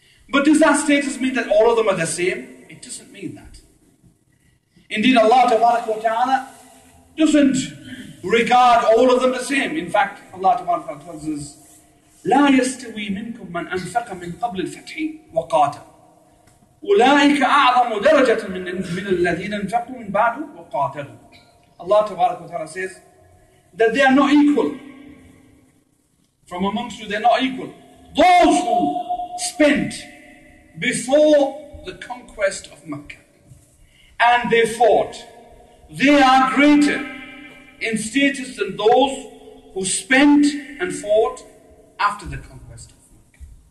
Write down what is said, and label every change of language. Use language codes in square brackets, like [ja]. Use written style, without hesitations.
[en] But does that status mean that all of them are the same? It doesn't mean that. Indeed, Allah Ta'ala doesn't regard all of them the same. In fact, Allah Ta'ala tells us, [ar] لَا يَسْتَوِي مِنْكُمْ مَنْ أَنْفَقَ مِنْ قَبْلِ الْفَتْحِ وَقَاتَ أُولَٰئِكَ أَعْظَمُ دَرَجَةً مِنَ الَّذِينَ انْفَقُوا مِنْ بَعْدُ وَقَاتَلُوا. [en] Allah Ta'ala says that they are not equal. From amongst you, they're not equal. Those who spent before the conquest of Mecca and they fought, they are greater in status than those who spent and fought after the conquest of Mecca.